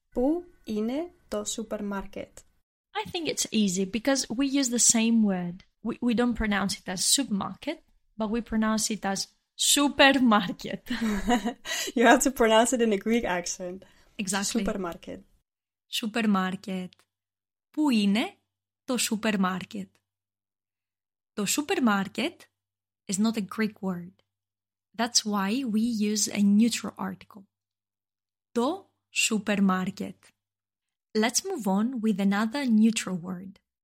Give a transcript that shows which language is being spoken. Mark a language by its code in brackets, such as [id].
[el] Που είναι το supermarket. [en] I think it's easy because we use the same word. We don't pronounce it as supermarket, but we pronounce it as supermarket. You have to pronounce it in a Greek accent. Exactly. Supermarket. Supermarket. [el] Πού είναι το supermarket? [en] Το supermarket is not a Greek word. That's why we use a neutral article. Το supermarket. Let's move on with another neutral word.